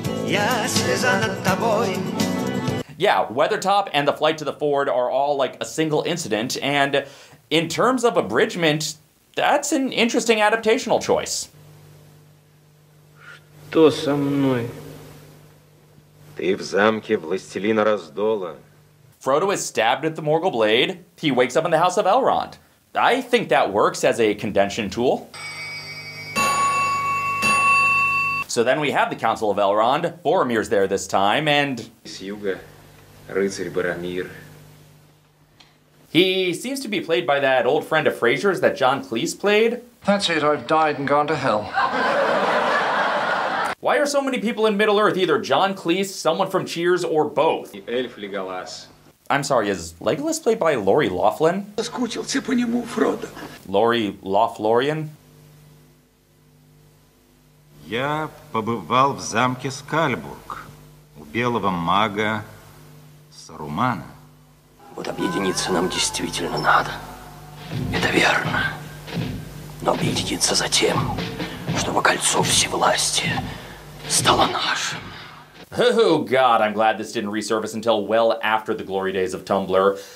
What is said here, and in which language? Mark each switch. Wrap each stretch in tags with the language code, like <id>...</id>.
<en>Yeah, Weathertop and the flight to the ford are all like a single incident, and in terms of abridgment, that's an interesting adaptational choice.</en> <ru>Что со мной? Ты в замке Властелина Раздола.</ru> <en>Frodo is stabbed at the Morgul Blade. He wakes up in the House of Elrond. I think that works as a condensation tool. So then we have the Council of Elrond, Boromir's there this time, and... He seems to be played by that old friend of Frasier's that John Cleese played. That's it, I've died and gone to hell. Why are so many people in Middle-earth either John Cleese, someone from Cheers, or both? Elf Legolas. I'm sorry, is Legolas played by Lori Loughlin? Lori Loughlorian?</en> <ru>Я побывал в замке Скальбург, у белого мага Сарумана. Вот объединиться нам действительно надо. Это верно. Но объединиться за тем, чтобы кольцо всевластия стало нашим.</ru> <en>Oh god, I'm glad this didn't resurface until well after the glory days of Tumblr.</en>